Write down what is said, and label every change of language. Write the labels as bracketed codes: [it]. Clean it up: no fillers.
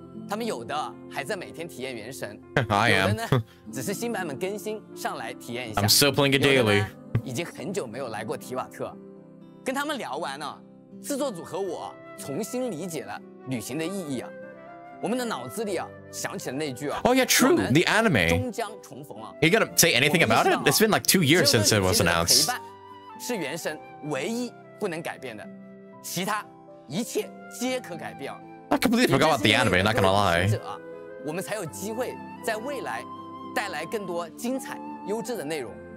[zh] 他们有的还在每天体验原神，有的呢只是新版本更新上来体验一下。 [en] I'm still playing it daily. [zh] 已经很久没有来过提瓦特。跟他们聊完呢，制作组和我重新理解了旅行的意义啊。我们的脑子里啊想起了那句啊。 [en] Oh yeah, true. The anime. [zh] 终将重逢啊。 [en] Are you gonna say anything about it? It's been like 2 years since it was announced. [zh] 是原神唯一不能改变的，其他一切皆可改变。 [en] I completely forgot about the anime, not gonna lie. [zh] 我们才有机会在未来带来更多精彩优质的内容。